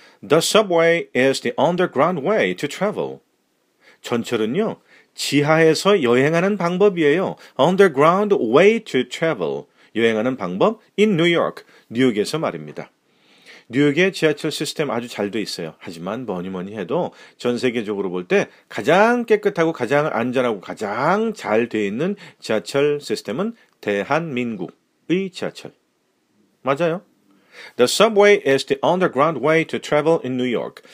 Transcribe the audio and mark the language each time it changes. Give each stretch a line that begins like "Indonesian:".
English: The subway is the underground way to travel.
Korean: 전철은요, 지하에서 여행하는 방법이에요.
English: Underground way to travel.
Korean: 여행하는 방법
English: in New York,
Korean: 뉴욕에서 말입니다. 뉴욕의 지하철 시스템 아주 잘 돼 있어요. 하지만 뭐니뭐니 해도 전 세계적으로 볼 때 가장 깨끗하고 가장 안전하고 가장 잘 돼 있는 지하철 시스템은 대한민국. 이 지하철. 맞아요.
English: The subway is the underground way to travel in New York.